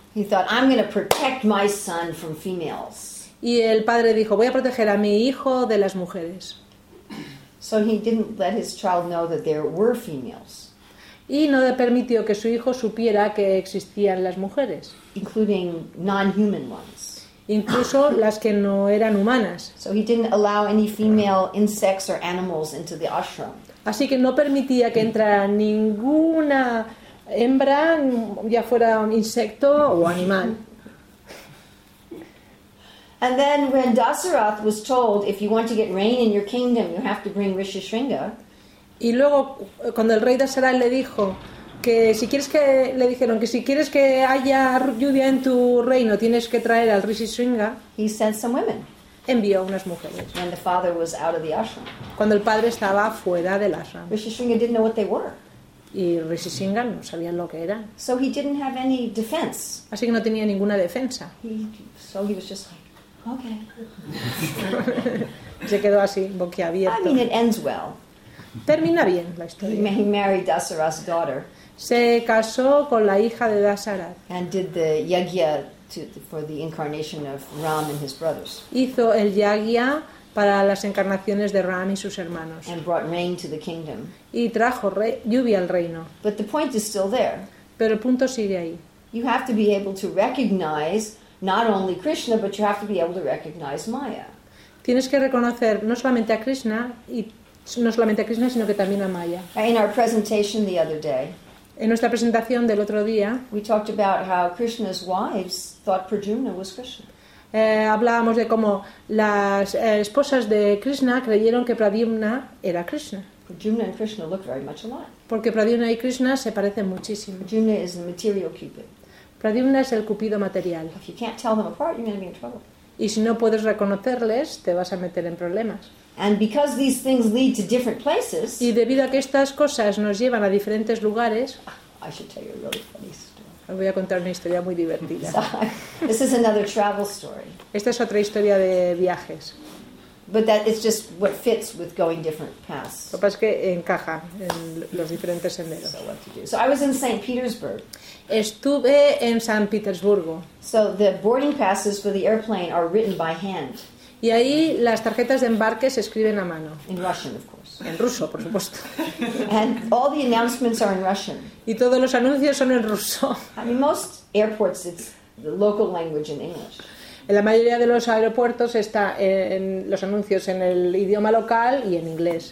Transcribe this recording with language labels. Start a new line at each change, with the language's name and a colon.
English: He thought, I'm going to protect my son from females.
Spanish: Y el padre dijo, voy a proteger a mi hijo de las mujeres.
English: So he didn't let his child know that there were females.
Spanish: Y no le permitió que su hijo supiera que existían las mujeres.
English: Including non-human ones.
Spanish: Incluso las que no eran humanas.
English: So he didn't allow any female insects or animals into the ashram.
Spanish: Así que no permitía que entrara ninguna hembra, ya fuera un insecto o animal.
English: And then when Dasarath was told, if you want to get rain in your kingdom, you have to bring Rishi Sringa.
Spanish: Y luego, cuando el rey Dasarath le dijo, que si quieres que le dijeron que si quieres que haya lluvia en tu reino tienes que traer al Rishi Sringa.
English: He sent some women.
Spanish: Envió unas mujeres.
English: When the father was out of the ashram.
Spanish: Cuando el padre estaba fuera del ashram.
English: Rishi Sringa didn't know what they were.
Spanish: Y Rishi Sringa no sabía lo que eran.
English: So he didn't have any defense.
Spanish: Así que no tenía ninguna defensa.
English: So he was just like, okay.
Spanish: Se quedó así, boquiabierto.
English: I mean, it ends well.
Spanish: Termina bien la historia.
English: He married Dasara's daughter.
Spanish: Se casó con la hija de Dasarath.
English: And did the yagya for the incarnation of Ram and his brothers.
Spanish: Hizo el yagya para las encarnaciones de Ram y sus hermanos.
English: And brought rain to the kingdom.
Spanish: Y trajo lluvia al reino.
English: But the point is still there.
Spanish: Pero el punto sigue ahí.
English: You have to be able to recognize not only Krishna, but you have to be able to recognize Maya.
Spanish: Tienes que reconocer no solamente a Krishna y no solamente a Krishna, sino que también a Maya.
English: In our presentation the other day,
Spanish: en nuestra presentación del otro día,
English: we talked about how Krishna's wives thought Prajumna was Krishna.
Spanish: Hablábamos de cómo las esposas de Krishna creyeron que Pradyumna era Krishna.
English: Prajumna and Krishna look very much alike.
Spanish: Porque Pradyumna y Krishna se parecen muchísimo.
English: Prajumna is the material cupid.
Spanish: Pradyumna es el cupido material.
English: If you can't tell them apart, you're going to be in trouble.
Spanish: Y si no puedes reconocerles, te vas a meter en problemas.
English: And because these things lead to different places,
Spanish: y debido a que estas cosas nos llevan a diferentes lugares,
English: I should tell you a really funny story.
Spanish: Os voy a contar una historia muy divertida.
English: So, this is another travel story.
Spanish: Esta es otra historia de viajes.
English: But that is just what fits with going different paths.
Spanish: Lo que pasa es que encaja en los diferentes senderos.
English: So, what to do. So I was in St. Petersburg.
Spanish: Estuve en San Petersburgo.
English: So the boarding passes for the airplane are written by hand.
Spanish: Y ahí las tarjetas de embarque se escriben a mano.
English: In Russian, of course.
Spanish: En ruso, por supuesto.
English: And all the announcements are in Russian.
Spanish: Y todos los anuncios son en ruso.
English: I mean, most airports, it's the local language in English.
Spanish: En la mayoría de los aeropuertos está en los anuncios en el idioma local y en inglés.